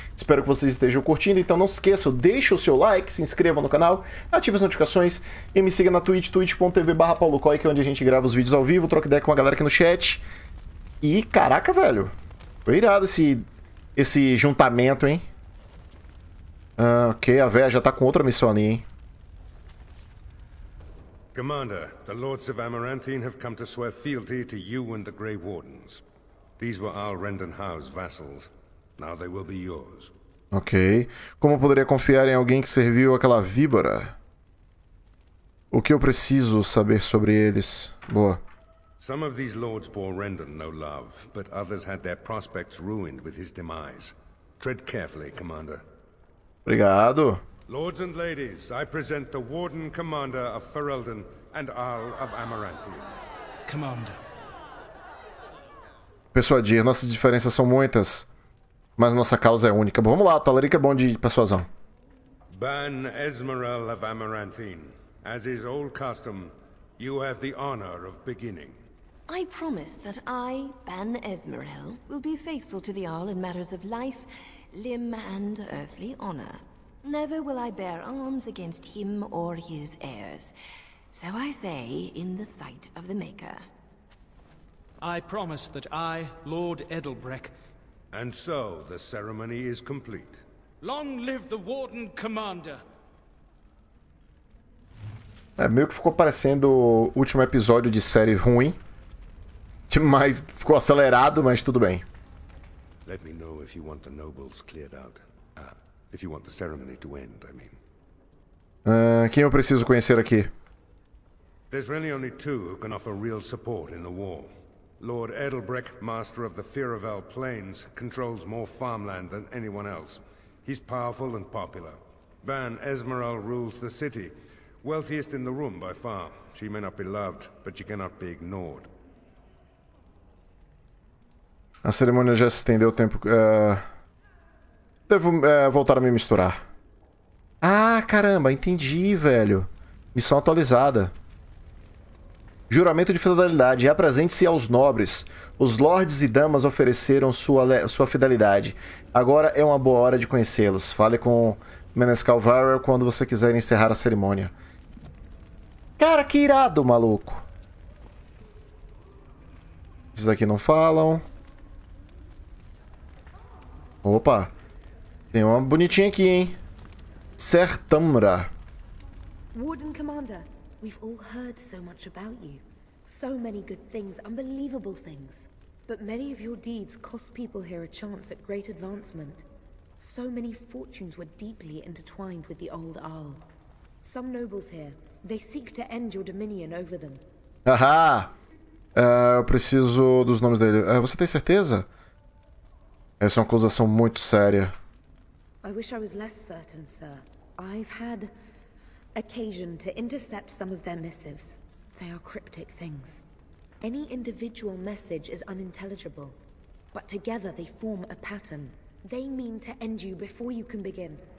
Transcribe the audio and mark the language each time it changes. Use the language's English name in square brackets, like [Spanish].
[Portuguese] Espero que vocês estejam curtindo, então não se esqueçam, deixe o seu like, se inscreva no canal, ative as notificações e me siga na Twitch, twitch.tv/paulocoy, que é onde a gente grava os vídeos ao vivo, troca ideia com a galera aqui no chat. E caraca, velho, foi irado esse juntamento, hein? Ok, a véia já tá com outra missão ali, hein? [English] Commander, the Lords of Amaranthine have come to swear fealty to you and the Grey Wardens. These were our Rendenhau's vassals. Now they will be yours. [Portuguese] Ok. Como eu poderia confiar em alguém que serviu aquela víbora? O que eu preciso saber sobre eles? Boa. [English] Some of these lords bore Rendon no love, but others had their prospects ruined with his demise. Tread carefully, Commander. [Portuguese] Obrigado. [English] Lords and ladies, I present the Warden Commander of Ferelden and Isle of Amaranthine. Commander. [Portuguese] Persuadir. Nossas diferenças são muitas, mas nossa causa é única. Bom, vamos lá, Talarico é bom de persuasão. [English] Ban Esmeral of Amaranthine. As is old custom, you have the honor of beginning. I promise that I, Ban Esmeral, will be faithful to the Isle in matters of life, limb, and earthly honor. Never will I bear arms against him or his heirs. So I say, in the sight of the Maker. I promise that I, Lord Edelbreck... And so, the ceremony is complete. Long live the Warden Commander! [Portuguese] É, meio que ficou parecendo o último episódio de série ruim. Demais, ficou acelerado, mas tudo bem. [English] Let me know if you want the nobles cleared out. If you want the ceremony to end, I mean. [Portuguese] Quem eu preciso conhecer aqui? [English] There's really only two who can offer real support in the war. Lord Edelbreck, master of the Firavel Plains, controls more farmland than anyone else. He's powerful and popular. Ban Esmeral rules the city, wealthiest in the room by far. She may not be loved, but she cannot be ignored. [Portuguese] A cerimônia já se estendeu o tempo. Devo voltar a me misturar. Ah, caramba, entendi, velho. Missão atualizada. Juramento de fidelidade. Apresente-se aos nobres. Os lords e damas ofereceram sua fidelidade. Agora é uma boa hora de conhecê-los. Fale com Menescal Varel quando você quiser encerrar a cerimônia. Cara, que irado, maluco. Esses aqui não falam. Opa. Tem uma bonitinha aqui, hein? Sertamra. [English] Warden Commander, we've all heard so much about you. So many good things, unbelievable things. But many of your deeds cost people here a chance at great advancement. So many fortunes were deeply intertwined with the old Isle. Some nobles here, they seek to end your dominion over them. Haha! [Portuguese] Eu preciso dos nomes dele. Você tem certeza? Essa é uma acusação muito séria. [English] I wish I was less certain, sir. I've had occasion to intercept some of their missives. They are cryptic things. Any individual message is unintelligible, but together they form a pattern. They mean to end you before you can begin.